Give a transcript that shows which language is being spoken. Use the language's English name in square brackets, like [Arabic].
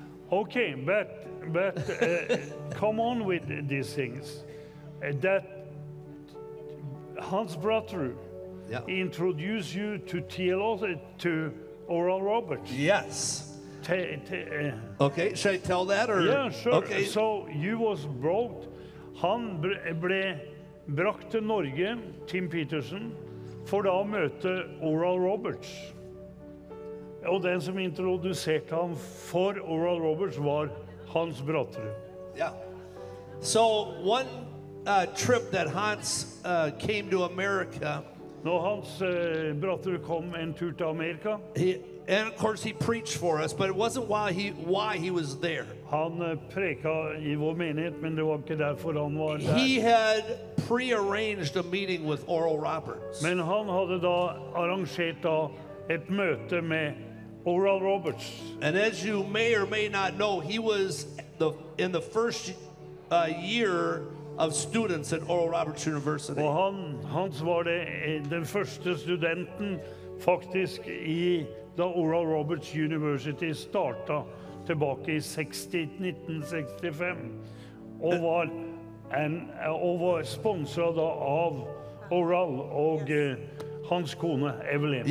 [English] Okay, but come on with these things. That Hans Brother introduced you to Oral Roberts. Yes. Okay, should I tell that or? Yeah, sure. Okay. So you was brought. [Norwegian] Han ble brakt til Norge, Tim Peterson, for da å møte Oral Roberts. Og den som introduserte ham for Oral Roberts var Hans Brattre. Ja. Yeah. [English] So one trip that Hans came to America. [Norwegian] Når Hans Brattre kom en tur til Amerika. [English] And of course he preached for us, but it wasn't why he was there. [Norwegian] Han preka I vår menighet, men det var ikke derfor han var der. [English] He had prearranged a meeting with Oral Roberts. [Norwegian] Men han hadde da arrangert da et møte med Oral Roberts. [English] And as you may or may not know, he was in the first year of students at Oral Roberts University. [Norwegian] Og Hans var det den første studenten faktisk I da Oral Roberts University starta tilbake I 1965 og var sponsret da av Oral og hans kone Evelyn.